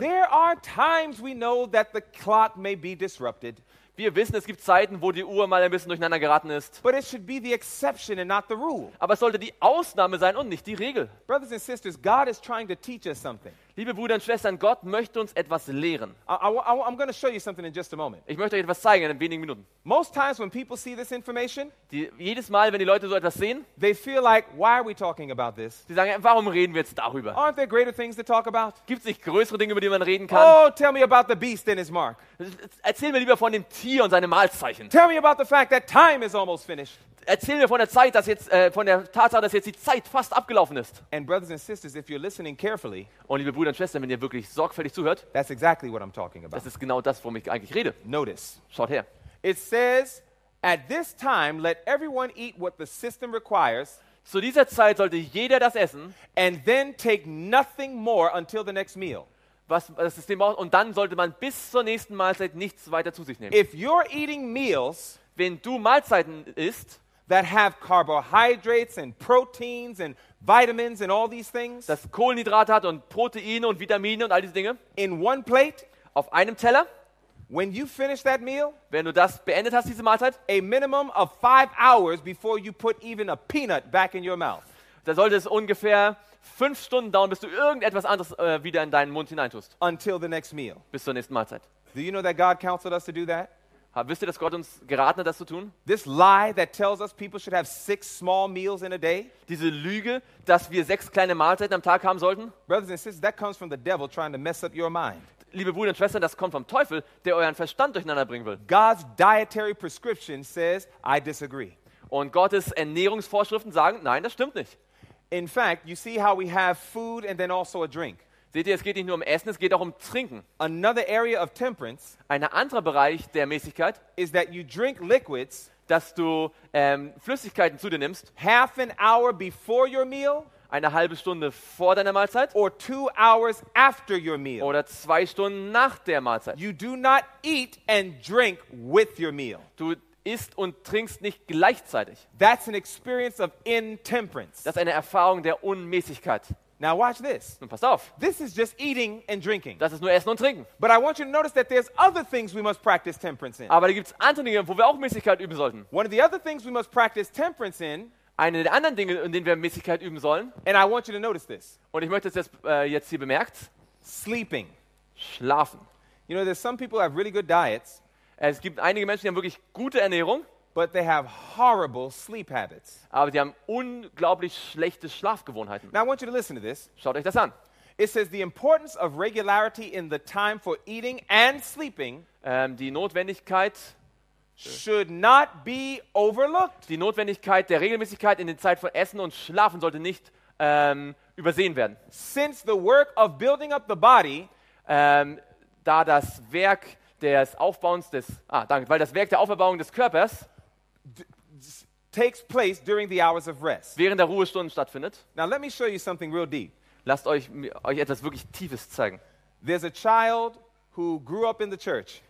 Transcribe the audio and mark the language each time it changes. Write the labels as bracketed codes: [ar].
[en] There are times we know that the clock may be disrupted. [de] Wir wissen, es gibt Zeiten, wo die Uhr mal ein bisschen durcheinander geraten ist. [en] But it should be the exception and not the rule. [de] Aber es sollte die Ausnahme sein und nicht die Regel. [en] Brothers and sisters, God is trying to teach us something. [de] Liebe Brüder und Schwestern, Gott möchte uns etwas lehren. [en] I'm going to show you something in just a moment. [de] Ich möchte euch etwas zeigen in wenigen Minuten. [en] Most times when people see this information, [de] jedes Mal, wenn die Leute so etwas sehen, [en] they feel like, why are we talking about this? [de] Sie sagen, warum reden wir jetzt darüber? [en] Aren't there greater things to talk about? [de] Gibt es nicht größere Dinge, über die man reden kann? [en] Oh, tell me about the beast and his mark. [de] Erzähl mir lieber von dem Tier und seinem Malzeichen. [en] Tell me about the fact that time is almost finished. [de] Erzähl mir von der Zeit, dass jetzt von der Tatsache, dass jetzt die Zeit fast abgelaufen ist. [en] And brothers and sisters, if you're listening carefully, [de] und liebe Brüder und Schwestern, wenn ihr wirklich sorgfältig zuhört, [en] that's exactly what I'm talking about. [de] Das ist genau das, worum ich eigentlich rede. [en] Notice. [de] Schaut her. [en] It says, at this time, let everyone eat what the system requires. [de] Zu dieser Zeit sollte jeder das essen. [en] And then take nothing more until the next meal. [de] Was das System braucht, und dann sollte man bis zur nächsten Mahlzeit nichts weiter zu sich nehmen. [en] If you're eating meals, [de] wenn du Mahlzeiten isst, [en] that have carbohydrates and proteins and vitamins and all these things, [de] das Kohlenhydrate hat und Proteine und Vitamine und all diese Dinge, [en] in one plate, [de] auf einem Teller, [en] when you finish that meal, [de] wenn du das beendet hast, diese Mahlzeit, [en] a minimum of 5 hours before you put even a peanut back in your mouth, [de] da sollte es ungefähr 5 Stunden dauern, bis du irgendetwas anderes wieder in deinen Mund hineintust, [en] until the next meal, [de] bis zur nächsten Mahlzeit. [en] Do you know that God counseled us to do that? [de] Wisst ihr, dass Gott uns geraten hat, das zu tun? [en] This lie that tells us people should have 6 small meals in a day. [de] Diese Lüge, dass wir 6 kleine Mahlzeiten am Tag haben sollten. [en] Brothers and sisters, that comes from the devil trying to mess up your mind. [de] Liebe Brüder und Schwestern, das kommt vom Teufel, der euren Verstand durcheinander bringen will. [en] God's dietary prescription says, I disagree. [de] Und Gottes Ernährungsvorschriften sagen, nein, das stimmt nicht. [en] In fact, you see how we have food and then also a drink. [de] Seht ihr, es geht nicht nur um Essen, es geht auch um Trinken. [en] Another area of temperance, [de] ein anderer Bereich der Mäßigkeit, [en] is that you drink liquids, [de] dass du Flüssigkeiten zu dir nimmst, [en] half an hour before your meal, [de] eine halbe Stunde vor deiner Mahlzeit, [en] or 2 hours after your meal, [de] oder 2 Stunden nach der Mahlzeit. [en] You do not eat and drink with your meal. [de] Du isst und trinkst nicht gleichzeitig. [en] That's an experience of intemperance. [de] Das ist eine Erfahrung der Unmäßigkeit. [en] Now watch this. [de] Nun pass auf. [en] This is just eating and drinking. [de] Das ist nur Essen und Trinken. [en] But I want you to notice that there's other things we must practice temperance in. [de] Aber da gibt's andere Dinge, wo wir auch Mäßigkeit üben sollten. [en] One of the other things we must practice temperance in. [de] Eine der anderen Dinge, in denen wir Mäßigkeit üben sollen. [en] And I want you to notice this. [de] Und ich möchte, dass ihr jetzt hier bemerkt. [en] Sleeping. [de] Schlafen. [en] You know, there's some people who have really good diets. [de] Es gibt einige Menschen, die haben wirklich gute Ernährung. [en] But they have horrible sleep habits. [de] Aber sie haben unglaublich schlechte Schlafgewohnheiten. [en] Now I want you to listen to this. [de] Schaut euch das an. [en] It says the importance of regularity in the time for eating and sleeping. [de] Die Notwendigkeit [en] should not be overlooked. [de] Die Notwendigkeit der Regelmäßigkeit in der Zeit von Essen und Schlafen sollte nicht übersehen werden. [en] Since the work of building up the body, [de] da das Werk des Aufbauens des weil das Werk der Auferbauung des Körpers [en] takes place during the hours of rest. [de] Während der Ruhestunden stattfindet. [en] Now let me show you something real deep. [de] Lasst euch etwas wirklich Tiefes zeigen. [en] There's a child who grew up in the church.